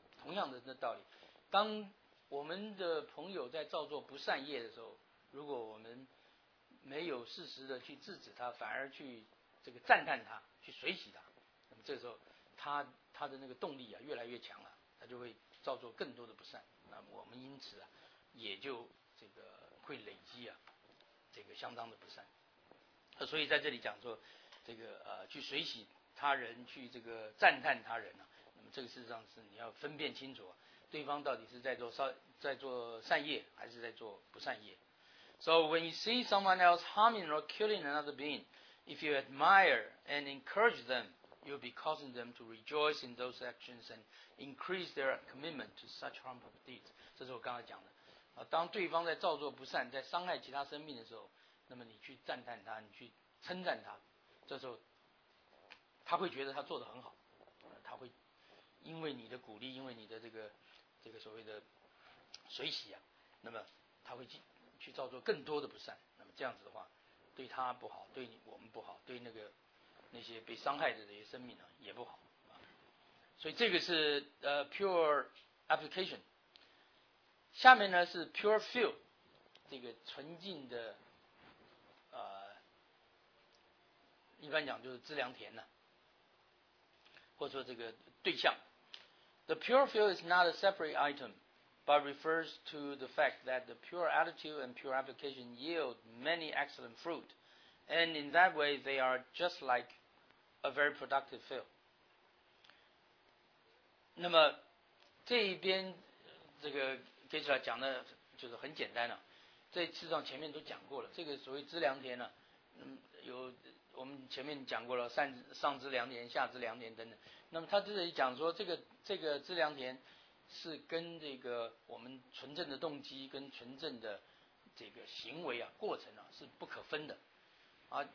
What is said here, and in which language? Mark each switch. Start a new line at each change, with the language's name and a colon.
Chinese: 同样的道理，当我们的朋友在造作不善业的时候，如果我们没有适时的去制止他，反而去这个赞叹他，去随喜他，那么这时候他的那个动力啊越来越强了，他就会造作更多的不善，那我们因此啊也就这个会累积啊这个相当的不善。所以在这里讲说这个去随喜他人，去这个赞叹他人啊，那么这个事实上是你要分辨清楚啊，对方到底是在做善业还是在做不善业。
English: So when you see someone else harming or killing another being, if you admire and encourage them, you'll be causing them to rejoice in those actions and increase their commitment to such harmful deeds.
Chinese: 这是我刚才讲的，当对方在造作不善，在伤害其他生命的时候，那么你去赞叹他，你去称赞他，这时候他会觉得他做得很好，他会因为你的鼓励，因为你的这个所谓的随喜啊，那么他会去造作更多的不善，那么这样子的话，对他不好，对我们不好，对那些被伤害的这些生命呢、啊、也不好啊。所以这个是pure application。下面呢是 pure feel， 这个纯净的一般讲就是资粮田呢、啊，或者说这个对象。
English: The pure feel is not a separate item, but refers to the fact that the pure attitude and pure application yield many excellent fruit, and in that way they are just like a very productive feel.
Chinese: 那么这一边这个接下来讲的就是很简单了、啊，这事实上前面都讲过了。这个所谓资粮田呢、啊，有我们前面讲过了，上资粮田、下资粮田等等。那么他这里讲说，这个资粮田是跟这个我们纯正的动机跟纯正的这个行为啊过程啊是不可分的啊。